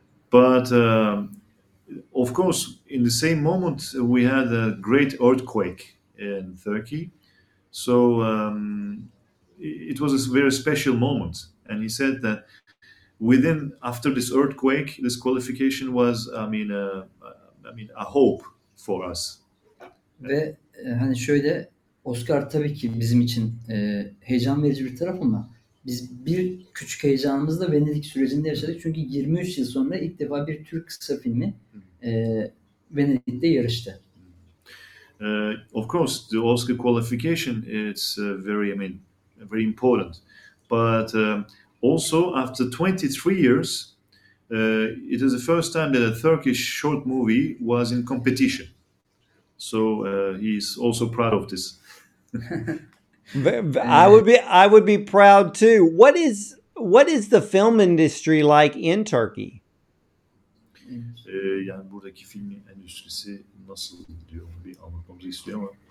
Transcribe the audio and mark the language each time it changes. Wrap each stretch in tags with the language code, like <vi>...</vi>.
<en>But of course, in the same moment, we had a great earthquake in Turkey. So it was a very special moment. And he said that within, after this earthquake, this qualification was, a hope for us.</en> <tr>Ve hani şöyle, Oscar tabii ki bizim için heyecan verici bir taraf ama biz bir küçük heyecanımızı da Venedik sürecinde yaşadık. Çünkü 23 yıl sonra ilk defa bir Türk kısa filmi Venedik'te yarıştı.</tr> <en>Of course, the Oscar qualification it's very, very important. But also after 23 years, it is the first time that a Turkish short movie was in competition. So he is also proud of this. I would be proud too. What is the film industry like in Turkey?</en> <tr>Yani buradaki film endüstrisi nasıl diyor, bir anlatmamızı istiyor ama.</tr>